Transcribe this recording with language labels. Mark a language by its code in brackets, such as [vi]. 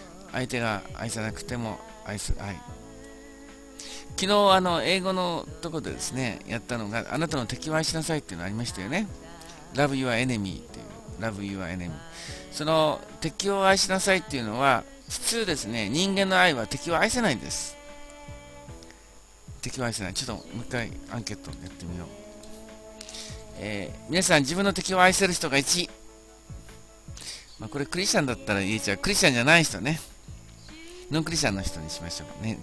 [ja] 相手が愛さなくても愛する愛。昨日英語のところでですね、やったのが、あなたの敵を愛しなさいっていうのありましたよね。 [en] Love your enemy [ja] っていう、 [en] Love your enemy。 [ja] その敵を愛しなさいっていうのは、普通ですね、人間の愛は敵を愛せないんです。敵を愛せない、ちょっともう一回アンケートやってみよう。皆さん、自分の敵を愛せる人が1、まあ、これクリスチャンだったら言えちゃう、クリスチャンじゃない人ね、ノンクリスチャンの人にしましょうね。